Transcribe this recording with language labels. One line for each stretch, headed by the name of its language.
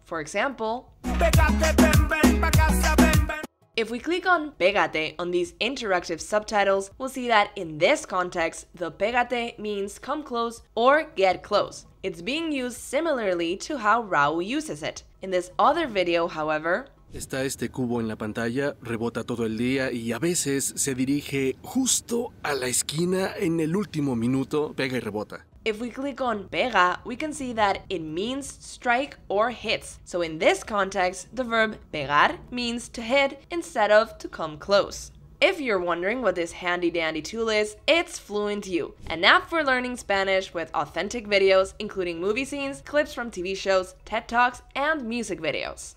English: For example,
Spanish: pégate, ven, ven, pa casa, ven, ven.
English: If we click on pégate on these interactive subtitles, we'll see that in this context, the pégate means come close or get close. It's being used similarly to how Raúl uses it. In this other video, however,
Spanish: está este cubo en la pantalla, rebota todo el día y a veces se dirige justo a la esquina en el último minuto, pega y rebota.
English: If we click on pega, we can see that it means strike or hits. So in this context, the verb pegar means to hit instead of to come close. If you're wondering what this handy dandy tool is, it's FluentU, an app for learning Spanish with authentic videos, including movie scenes, clips from TV shows, TED Talks, and music videos.